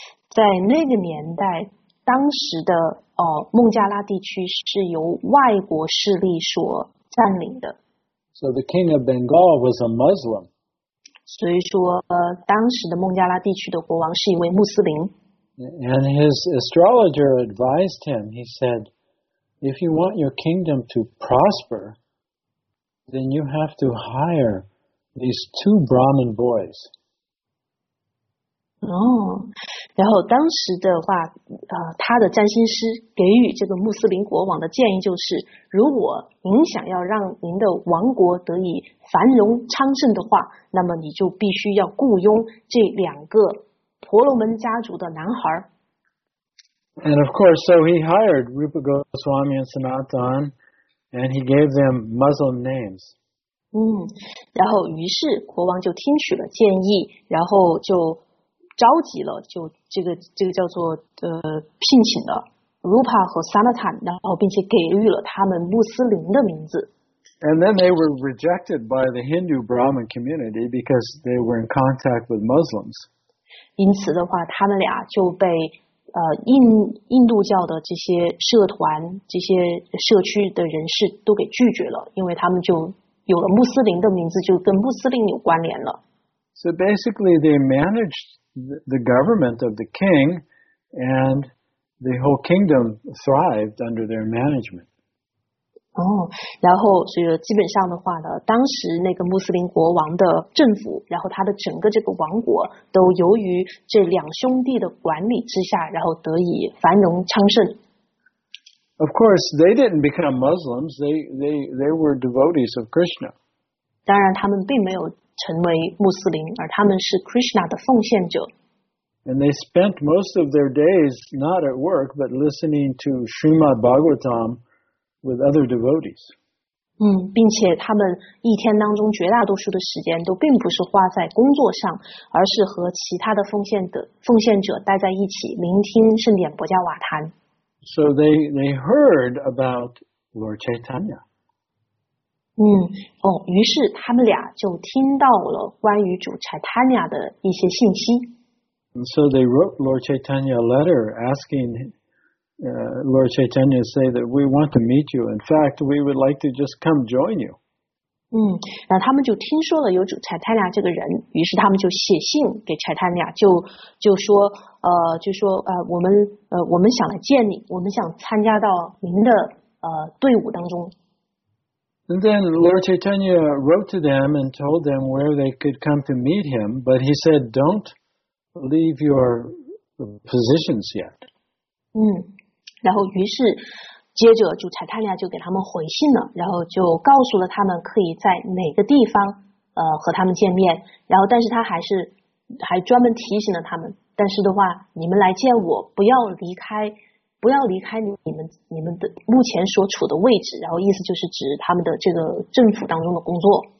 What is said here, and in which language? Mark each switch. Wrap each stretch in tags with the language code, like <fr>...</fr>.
<zh>在那个年代，当时的孟加拉地区是由外国势力所占领的。</zh> <en>So the king of Bengal was a Muslim.</en> <zh>所以说，当时的孟加拉地区的国王是一位穆斯林。</zh> <en>And his astrologer advised him. He said, "If you want your kingdom to prosper, then you have to hire these two Brahmin boys."</en> <zh>哦，然后当时的话，他的占星师给予这个穆斯林国王的建议就是，如果您想要让您的王国得以繁荣昌盛的话，那么你就必须要雇佣这两个婆罗门家族的男孩。</zh> <en>And of course, so he hired Rupa Goswami and Sanatan, and he gave them Muslim names.</en> <zh>然后于是国王就听取了建议，然后就召集了，就这个叫做聘请了 Rupa 和 Sanatan， 然后并且给予了他们穆斯林的名字。</zh> <en>And then they were rejected by the Hindu Brahmin community because they were in contact with Muslims.</en> <zh>因此的话，他们俩就被印度教的这些社团、这些社区的人士都给拒绝了，因为他们就有了穆斯林的名字，就跟穆斯林有关联了。</zh> <en>So basically, they managed the government of the king, and the whole kingdom thrived under their management.</en> <zh>然后这个基本上的话呢，当时那个穆斯林国王的政府，然后他的整个这个王国都由于这两兄弟的管理之下，然后得以繁荣昌盛。</zh> <en>Of course, they didn't become Muslims. They were devotees of Krishna.</en> <zh>当然，他们并没有成为穆斯林，而他们是 Krishna 的奉献者。</zh> <en>And they spent most of their days not at work, but listening to Srimad Bhagavatam. With other devotees.</en> <zh>并且他们一天当中绝大多数的时间都并不是花在工作上，而是和其他的奉献者待在一起，聆听圣典博迦瓦坛。</zh> <en>So they heard about Lord Chaitanya.</en> <zh>于是他们俩就听到了关于主 Chaitanya 的一些信息。</zh> <en>And so they wrote Lord Chaitanya a letter asking. Lord Chaitanya say that we want to meet you. In fact, we would like to just come join you.</en> <zh>然后他们就听说了有主 Chaitanya 这个人，于是他们就写信给 Chaitanya， 我们想来见你，我们想参加到您的队伍当中。</zh> <en>And then Lord Chaitanya wrote to them and told them where they could come to meet him, but he said, "Don't leave your positions yet."</en> <zh>然后于是接着主柴塔利亚就给他们回信了，然后就告诉了他们可以在哪个地方和他们见面，然后但是他还专门提醒了他们，但是的话你们来见我不要离开你们的目前所处的位置，然后意思就是指他们的这个政府当中的工作。</zh>